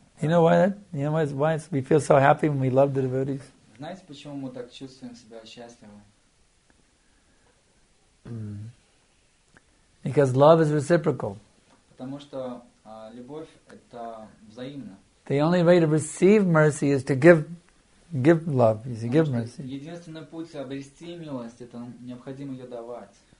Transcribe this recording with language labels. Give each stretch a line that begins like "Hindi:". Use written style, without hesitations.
English: You know why that? You know why we feel so happy when we love the devotees?
Russian: Знаете, почему мы так чувствуем себя счастливы?
English: Because love is reciprocal.
Russian: Потому что любовь это взаимно.
English: The only way to receive mercy is to give love. You see, give mercy.
Russian: Единственный путь обрести милость это необходимо ее давать.